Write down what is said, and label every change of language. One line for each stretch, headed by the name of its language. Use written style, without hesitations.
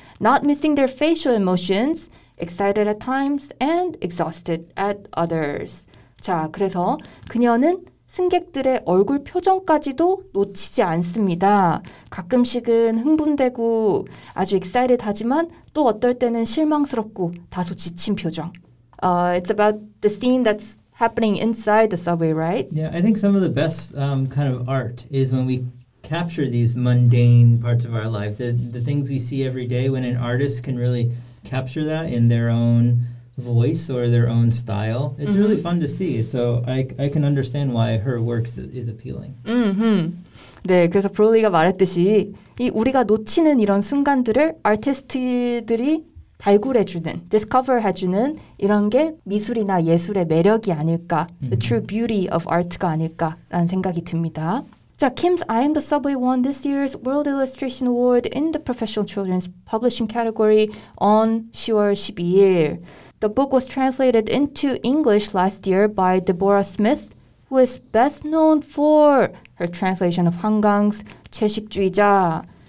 English: Not missing their facial emotions, excited at times and exhausted at others.
Korean: 자, 그래서 그녀는 승객들의 얼굴 표정까지도 놓치지 않습니다. 가끔씩은 흥분되고 아주 excited 하지만 또 어떨 때는 실망스럽고 다소 지친 표정.
English: It's about the scene that's happening inside the subway, right? Yeah, I think some of the best kind of art is when we capture these mundane parts of our life, the things we see every day, when an artist can really capture that in their own voice or their own style. It's mm-hmm. really fun to see. So I can understand why her work is appealing. Mm-hmm.
Korean: 네, 그래서 브롤리가 말했듯이 이 우리가 놓치는 이런 순간들을 아티스트들이 발굴해주는, discover 해주는 이런 게 미술이나 예술의 매력이 아닐까, mm-hmm.
English: the true beauty of art
Korean: 가 아닐까라는 생각이 듭니다.
English: 자, Kim's I Am the Subway won this year's World Illustration Award in the Professional Children's Publishing category on
Korean: 10월 12일.
English: The book was translated into English last year by Deborah Smith, who is best known for her translation of Han Gang's 채식주의자.